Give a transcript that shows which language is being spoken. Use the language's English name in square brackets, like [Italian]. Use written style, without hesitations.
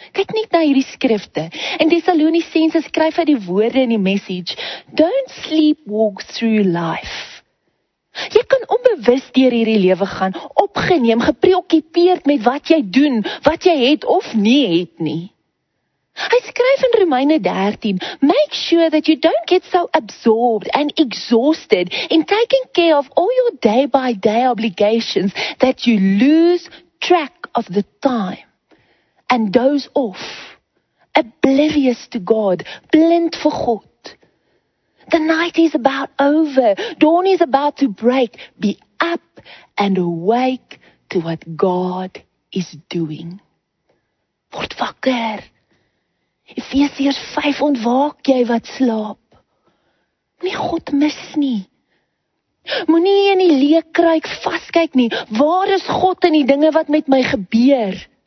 [Afrikaans] Kyk net na hierdie skrifte. In Thessalonisense skryf hy die woorde in die message, [English] don't sleep walk through life. [Afrikaans] Jy kan onbewus deur hierdie lewe gaan, opgeneem, gepreokkupeerd met wat jy doen, wat jy het of nie het nie. Hy skryf in Romeine 13, [English] make sure that you don't get so absorbed and exhausted in taking care of all your day-by-day obligations that you lose track of the time and doze off, oblivious to God, blind for God. The night is about over, dawn is about to break, be up and awake to what God is doing. [Afrikaans] Word wakker. Efesiërs 5, ontwaak jy wat slaap. Moenie God mis nie. Moenie in die leekruik vaskyk nie. Waar is God in die dinge wat met my gebeur?